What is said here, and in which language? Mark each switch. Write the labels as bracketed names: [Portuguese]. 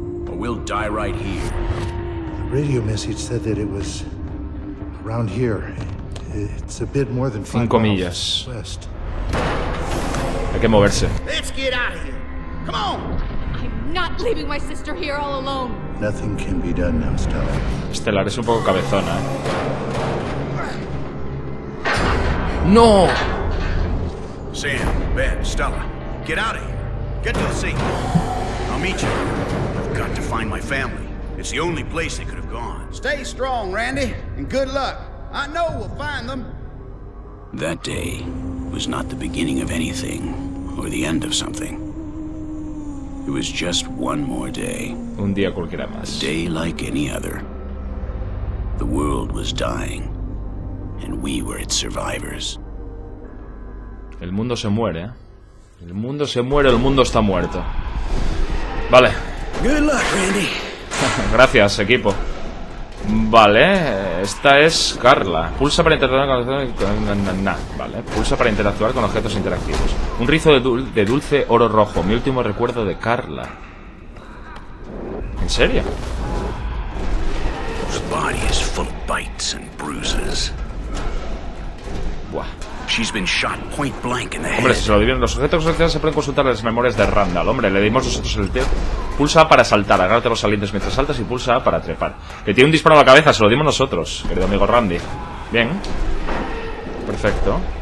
[English] Or we'll die right here. The radio message said that it was around here. It's a bit more than 5 miles west. [Spanish] Hay que moverse. [English] Let's get out of here. Come on. I'm not leaving my sister here all alone. Nothing can be done now, Stella. [Spanish] Estelar es un poco cabezona, No. [English] Sam, Ben, Stella, get out of here. Get to the seat. I'll meet you. I've got to find my family. It's the only place they could have gone. Stay strong, Randy, and good luck. I know we'll find them. That day was not the beginning of anything or the end of something. It was just one more day. [Spanish] Un día cualquiera más. [English] A day like any other. The world was dying, and we were its survivors. [Spanish] El mundo se muere, El mundo se muere, el mundo está muerto. Vale. [English] Good luck, Randy. [Spanish] Gracias, equipo. Vale, esta es Carla. Pulsa para interactuar con objetos interactivos. Vale, pulsa para interactuar con objetos interactivos. Un rizo de dulce oro rojo. Mi último recuerdo de Carla. ¿En serio? [English] Her body is full of bites and bruises. Buah. She's been shot point blank in the head. [Spanish] Hombre, si se lo dieron los objetos especiales se pueden consultar las memorias de Randall. Hombre, le dimos nosotros el té. Pulsa para saltar, agárrate los salientes mientras saltas y pulsa para trepar. Que tiene un disparo a la cabeza, se lo dimos nosotros, querido amigo Randy. Bien. Perfecto.